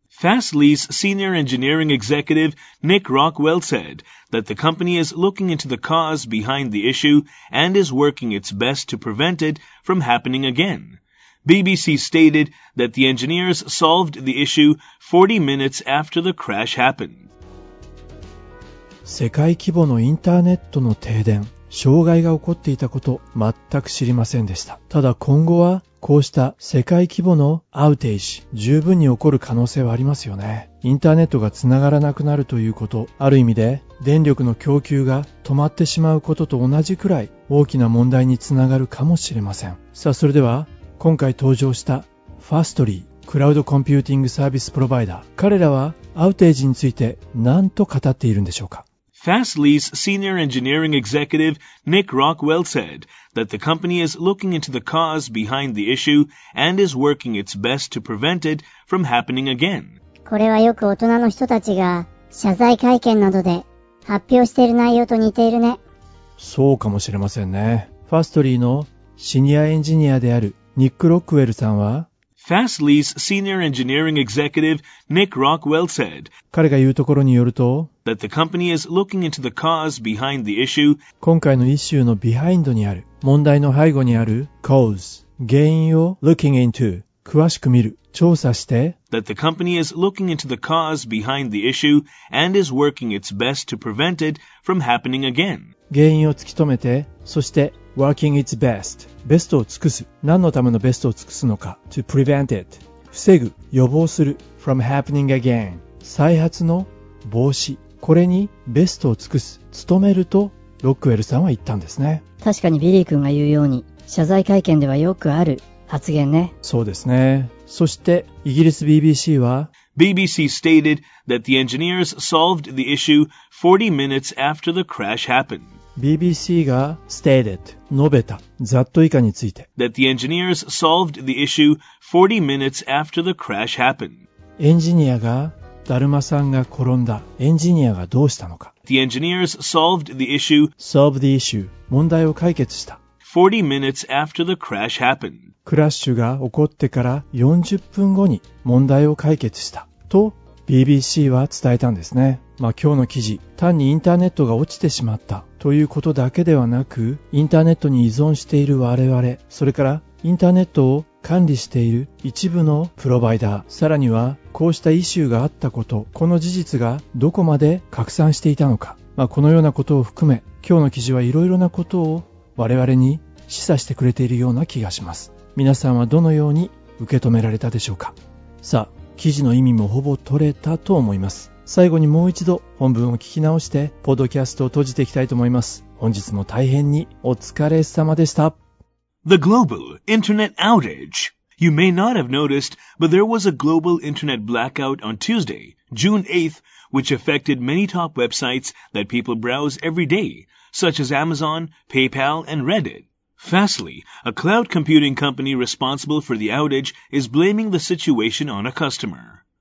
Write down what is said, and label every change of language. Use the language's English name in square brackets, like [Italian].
[English] Fastly's senior engineering executive, Nick Rockwell, said that the company is looking into the cause behind the issue and is working its best to prevent it from happening again. BBC stated that the engineers solved the issue 40 minutes after the crash happened. [Japanese] 世界規模のインターネットの停電、障害が起こっていたこと全く知りませんでした。ただ今後はこうした世界規模のアウテージ、十分に起こる可能性はありますよね。インターネットがつながらなくなるということ、ある意味で電力の供給が止まってしまうことと同じくらい大きな問題につながるかもしれません。さあそれでは今回登場したファストリー、クラウドコンピューティングサービスプロバイダー。彼らはアウテージについて何と語っているんでしょうか。 [English] Fastly's senior engineering executive Nick Rockwell said that the company is looking into the cause behind the issue and is working its best to prevent it from happening again. [Japanese] これはよく大人の人たちが謝罪会見などで発表している内容と似ているね。そうかもしれませんね。Fastly のシニアエンジニアであるニック・ロックウェルさんは、 [English] Fastly's senior engineering executive Nick Rockwell said, [Japanese] 彼が言うところによると、 [English] that the company is looking into the cause behind the issue, [Japanese] 今回のイシューのビハインドにある、問題の背後にある cause、原因を [English] looking into、 [Japanese] 詳しく見る、調査して、 [English] that the company is looking into the cause behind the issue and is working its best to prevent it from happening again. [Japanese] 原因を突き止めて、そして、 [English] Working its best. [Japanese] ベストを尽くす。何のためのベストを尽くすのか。 [English] To prevent it. [Japanese] 防ぐ。予防する。 [English] From happening again. [Japanese] 再発の防止。これにベストを尽くす。努めると、ロックウェルさんは言ったんですね。確かにビリー君が言うように、謝罪会見ではよくある発言ね。そうですね。そして、イギリス BBC は、 [English] BBC stated that the engineers solved the issue 40 minutes after the crash happened. [Japanese] BBC が stated 述べたざっと以下について [English] that the engineers solved the issue 40 minutes after the crash happened. [Japanese] エンジニアがだるまさんが転んだエンジニアがどうしたのか [English] the engineers solved the issue solved the issue [Japanese] 問題を解決した [English] 40 minutes after the crash happened. [Japanese] クラッシュが起こってから40分後に問題を解決したと BBC は伝えたんですね。まあ今日の記事単にインターネットが落ちてしまったということだけではなく、インターネットに依存している我々、それからインターネットを管理している一部のプロバイダー、さらにはこうしたイシューがあったこと、この事実がどこまで拡散していたのか、まあ、このようなことを含め、今日の記事はいろいろなことを我々に示唆してくれているような気がします。皆さんはどのように受け止められたでしょうか。さあ、記事の意味もほぼ取れたと思います。最後にもう一度本文を聞き直してポッドキャストを閉じていきたいと思います。本日も大変にお疲れ様でした。 [English] The global internet outage. You may not have noticed, but there was a global internet blackout on Tuesday, June 8th, which affected many top websites that people browse every day, such as Amazon, PayPal, and Reddit. Fastly, a cloud computing company responsible for the outage, is blaming the situation on a customer.